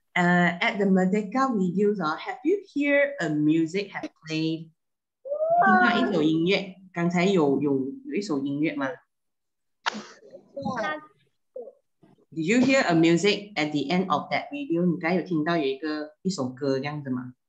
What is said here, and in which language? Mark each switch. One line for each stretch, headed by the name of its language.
English: At the Merdeka videos, have you hear a music have played?
Chinese: 听到一首音乐，刚才有一首音乐吗？
English: Did you hear a music at the end of that video?
Chinese: 你刚才有听到有一个一首歌这样子吗？